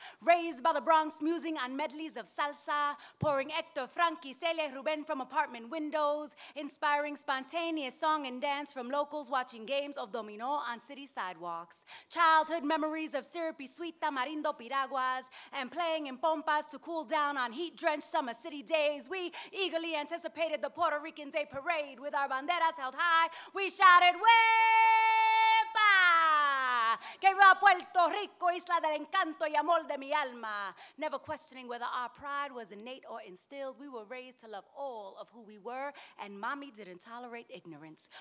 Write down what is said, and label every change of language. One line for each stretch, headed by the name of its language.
English: Raised by the Bronx, musing on medleys of salsa, pouring Hector, Frankie, Celia, Ruben from apartment windows, inspiring spontaneous song and dance from locals watching games of domino on city sidewalks. Childhood memories of syrupy sweet tamarindo piraguas and playing in pompas to cool down on heat-drenched summer city days. We eagerly anticipated the Puerto Rican Day parade with our banderas held high. We shouted,
Spanish: ¡Wepa! ¡Que viva Puerto Rico, isla del encanto y amor de mi alma!
English: Never questioning whether our pride was innate or instilled, we were raised to love all of who we were, and mommy didn't tolerate ignorance.